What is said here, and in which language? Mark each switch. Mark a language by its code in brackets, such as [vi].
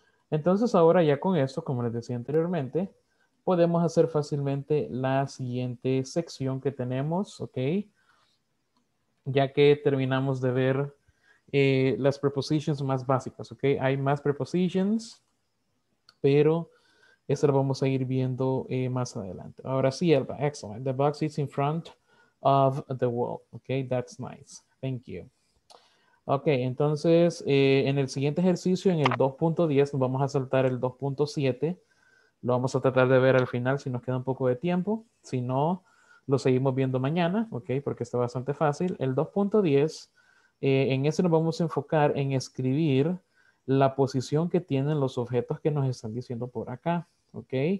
[es] Entonces ahora ya con esto, como les decía anteriormente, podemos hacer fácilmente la siguiente sección que tenemos. Okay. Ya que terminamos de ver las prepositions más básicas. Okay. Hay más prepositions, pero eso lo vamos a ir viendo más adelante. Ahora sí, Elba. Excellent. [en] The box is in front of the wall. Okay, that's nice. Thank you. [es] Okay, entonces en el siguiente ejercicio, en el 2.10, nos vamos a saltar el 2.7. Lo vamos a tratar de ver al final si nos queda un poco de tiempo. Si no, lo seguimos viendo mañana, okay, porque está bastante fácil. El 2.10, en ese nos vamos a enfocar en escribir la posición que tienen los objetos que nos están diciendo por acá, ¿ok?